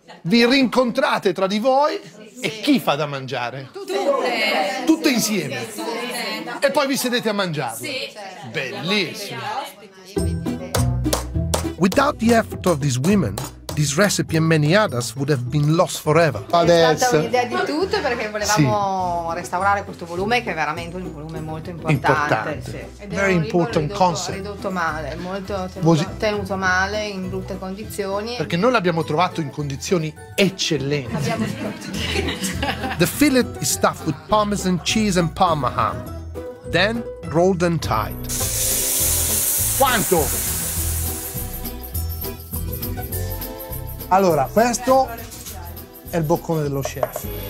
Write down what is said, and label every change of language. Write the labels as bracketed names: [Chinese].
[Italian] Vi rincontrate tra di voi. E chi fa da mangiare? Tutte insieme. E poi vi sedete a mangiarlo. Bellissimo. [English] Without the effort of these women, this recipe and many others would have been lost forever. [Italian] Adesso. È stata un'idea di tutto perché volevamo sì. restaurare questo volume che è veramente un volume molto importante. Sì. [English] Very important [Italian] ridotto, [English] concept. [Italian] Ridotto male, molto tenuto male, in brutte condizioni. Perché noi l'abbiamo trovato in condizioni eccellenti. [English] The fillet is stuffed with parmesan cheese and parma ham, then rolled and tied. [Italian] Quanto? Allora, questo è il boccone dello chef.